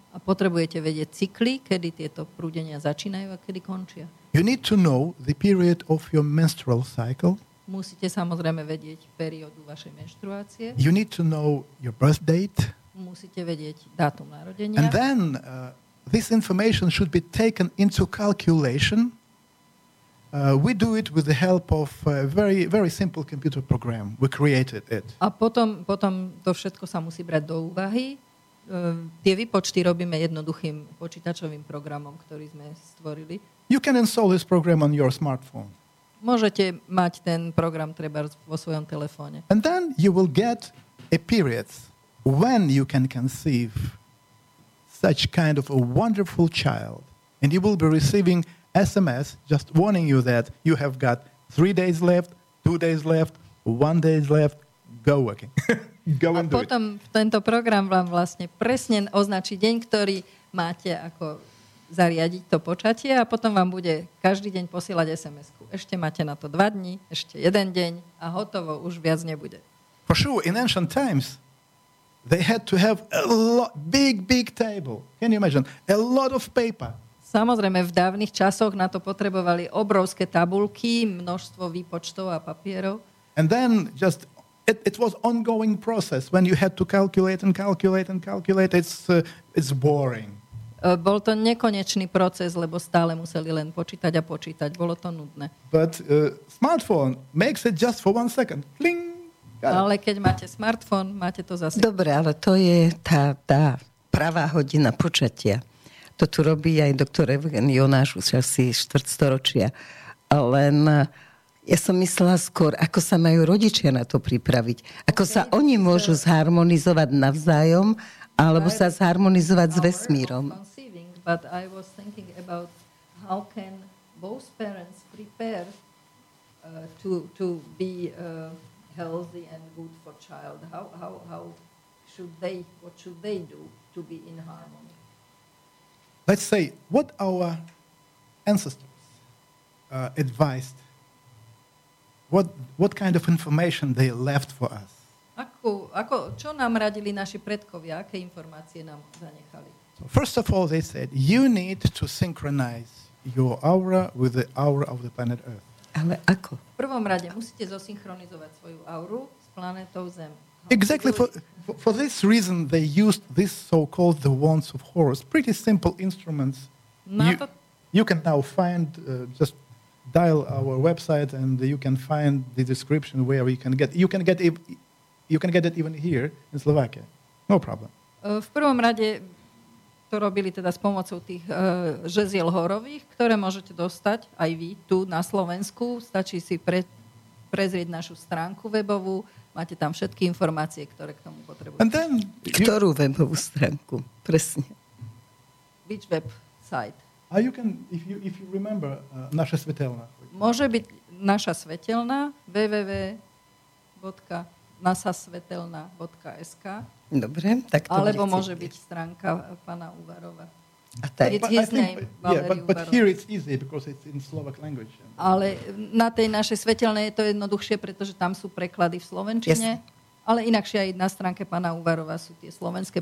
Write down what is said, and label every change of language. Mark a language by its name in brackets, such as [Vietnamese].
[Slovak] A potrebujete vedieť cykly, kedy tieto prúdenia začínajú a kedy končia. [English] You need to know the period of your menstrual cycle. [Slovak] Musíte samozrejme vedieť periódu vašej menštruácie. [English] You need to know your birth date. [Slovak] Musíte vedieť dátum narodenia. [English] And then this information should be taken into calculation. We do it with the help of a very, very simple computer program. We created it. [Slovak] A potom to všetko sa musí brať do úvahy. Tie výpočty robíme jednoduchým počítačovým programom, ktorý sme stvorili. [English] You can install this program on your smartphone. [Slovak] Môžete mať ten program treba vo svojom telefóne. [English] And then you will get a period when you can conceive such kind of a wonderful child. And you will be receiving SMS just warning you that you have got 3 days left, 2 days left, 1 day left, go working. Go and do it. [Slovak] A potom tento program vám vlastne presne označí deň, ktorý máte ako zariadiť to počatie a potom vám bude každý deň posielať SMS-ku. Ešte máte na to 2 dni, ešte jeden deň a hotovo, už viac nebude. [English] For sure, in ancient times, they had to have a lot, big, big table. Can you imagine? A lot of paper. [Slovak] Samozrejme, v dávnych časoch na to potrebovali obrovské tabulky, množstvo výpočtov a papierov. [English] And then just it was ongoing process when you had to calculate and calculate and calculate. It's boring. [Slovak] Bol to nekonečný proces, lebo stále museli len počítať a počítať. Bolo to nudné. [English] But smartphone makes it just for 1 second. Kling! [Slovak] Ale keď máte smartfón, máte to zase. Dobre, ale to je tá pravá hodina počatia. To tu robí aj doktor Evgen Jonáš už asi 400 ročia. Ale ja som myslela skôr, ako sa majú rodičia na to pripraviť. Ako sa oni môžu zharmonizovať navzájom alebo sa zharmonizovať s vesmírom. [English] But I was thinking about how can both parents prepare to be healthy and good for child. How should they, what should they do to be in harmony? Let's say what our ancestors advised, what kind of information they left for us. [Slovak] Ako čo nám radili naši predkovia, aké informácie nám zanechali? [English] So first of all they said you need to synchronize your aura with the aura of the planet Earth. [Slovak] Ale ako? V prvom rade musíte zosynchronizovať svoju auru s planetou Zem. [English] Exactly for this reason they used this so-called the wands of Horus, pretty simple instruments. You can now find just dial our website and you can find the description where you can get it even here in Slovakia. No problem. [Slovak] V prvom rade to robili teda s pomocou tých žeziel horových, ktoré môžete dostať aj vy tu na Slovensku. Stačí si prezrieť našu stránku webovú. Máte tam všetky informácie, ktoré k tomu potrebujete. [English] And then [Slovak] ktorú webovú stránku? Presne. [English] Which website? You can, if you remember, naša svetelná. [Slovak] Môže byť naša svetelná www.nasasvetelna.sk. Dobre, tak to alebo môže byť stránka pána Uvarova. A tak. [English] But here it's easy because it's in Slovak language. [Slovak] Ale na tej našej svetelnej je to jednoduchšie, pretože tam sú preklady v slovenčine. Yes. Ale inakšie aj na stránke pána Uvarova sú tie slovenské.